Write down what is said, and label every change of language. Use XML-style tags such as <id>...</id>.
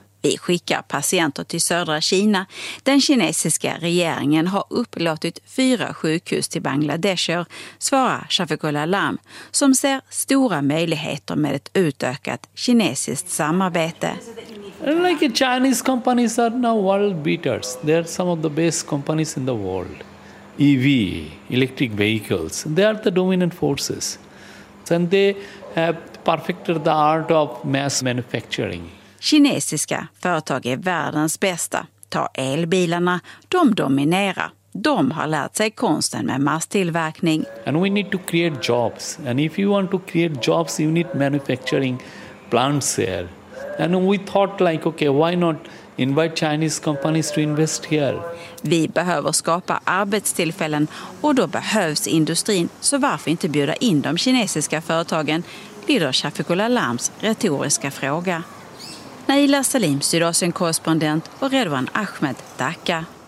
<sv>Vi skickar patienter till södra Kina. Den kinesiska regeringen har upplåtit 4 sjukhus till Bangladesher, svarar Shafiqul Alam, som ser stora möjligheter med ett utökat kinesiskt samarbete.</sv> <en>Like Chinese companies are now world beaters. They are some of the best companies in the world. EV, electric vehicles, they are the dominant forces. And they have perfected the art of mass manufacturing.</en> <sv>Kinesiska företag är världens bästa. Ta elbilarna, de dominerar. De har lärt sig konsten med masstillverkning.</sv> <en>And we need to create jobs. And if you want to create jobs, you need manufacturing plants here. And we thought like, okay, why not invite Chinese companies to invest here?</en> <sv>Vi behöver skapa arbetstillfällen och då behövs industrin. Så varför inte bjuda in de kinesiska företagen? Lyder Shafiqul Alams retoriska fråga. Naila Salim, Sydasien-korrespondent, och Redwan Ahmed, Dhaka.</sv>